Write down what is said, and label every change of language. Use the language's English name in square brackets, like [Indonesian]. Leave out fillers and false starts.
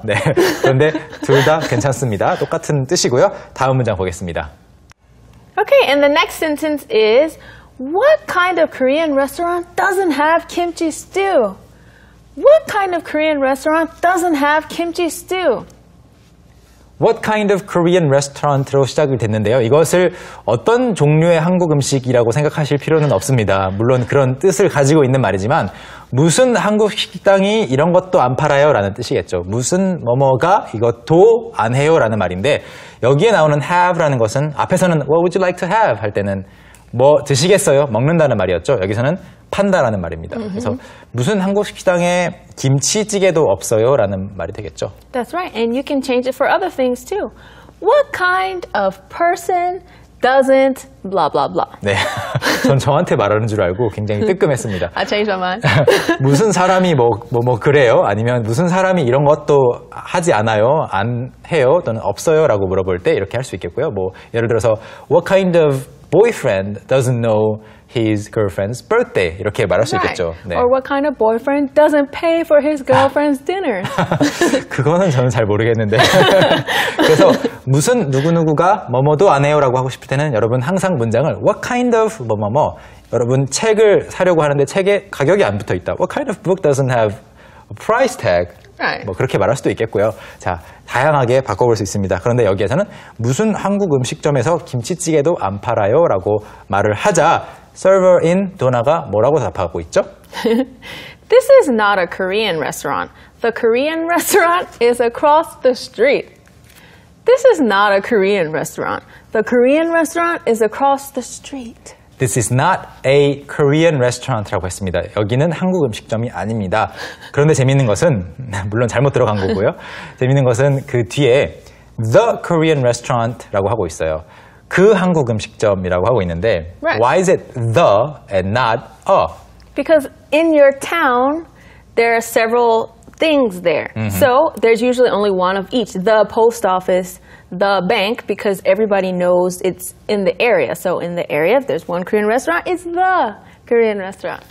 [Korean] 네, 그런데 둘 다 괜찮습니다. 똑같은 뜻이고요. 다음 문장 보겠습니다. [English] Okay, and the next sentence is, What kind of Korean restaurant doesn't have kimchi stew? What kind of Korean restaurant doesn't have kimchi stew? What kind of Korean restaurant로 [Korean] 시작이 됐는데요. 이것을 어떤 종류의 한국 음식이라고 생각하실 필요는 없습니다. 물론 그런 뜻을 가지고 있는 말이지만 무슨 한국 식당이 이런 것도 안 팔아요? 라는 뜻이겠죠. 무슨 뭐뭐가 이것도 안 해요? 라는 말인데 여기에 나오는 have라는 것은 앞에서는 [English] What would you like to have? [Korean] 할 때는 뭐 드시겠어요? 먹는다는 말이었죠. 여기서는 판다라는 말입니다. 그래서 무슨 한국 식당에 김치찌개도 없어요? 라는 말이 되겠죠. [English] That's right. And you can change it for other things too. What kind of person doesn't blah blah blah? [Korean] 네, 전 저한테 말하는 줄 알고 굉장히 뜨끔했습니다. 아, 제 저만. 무슨 사람이 뭐 그래요? 아니면 무슨 사람이 이런 것도 하지 않아요? 안 해요? 또는 없어요? 라고 물어볼 때 이렇게 할 수 있겠고요. 뭐 예를 들어서 [English] What kind of boyfriend doesn't know his girlfriend's birthday? [Korean] 이렇게 말할 수 [English] right. [Korean] 있겠죠. [English] 네. Or what kind of boyfriend doesn't pay for his girlfriend's dinner? [Korean] 그거는 저는 잘 모르겠는데. 그래서 무슨 누구누구가 뭐뭐도 안 해요 라고 하고 싶을 때는 여러분 항상 문장을 [English] What kind of [Korean] 뭐뭐뭐 여러분 책을 사려고 하는데 책에 가격이 안 붙어있다. [English] What kind of book doesn't have a price tag? Right. [Korean] 뭐 그렇게 말할 수도 있겠고요. 자, 다양하게 바꿔볼 수 있습니다. 그런데 여기에서는 무슨 한국 음식점에서 김치찌개도 안 팔아요? 라고 말을 하자 서버인 도나가 뭐라고 답하고 있죠? [English] This is not a Korean restaurant. The Korean restaurant is across the street. This is not a Korean restaurant. The Korean restaurant is across the street. This is not a Korean restaurant라고 [Korean] 했습니다. 여기는 한국 음식점이 아닙니다. 그런데 재미있는 것은, 물론 잘못 들어간 거고요. 재미있는 것은 그 뒤에 [English] The Korean restaurant [Korean] 라고 하고 있어요. 그 한국 음식점이라고 하고 있는데 [English] right. Why is it the and not a? Because in your town, there are several things there. Mm-hmm. So there's usually only one of each. The post office, the bank, because everybody knows it's in the area. So in the area, if there's one Korean restaurant, it's the Korean restaurant.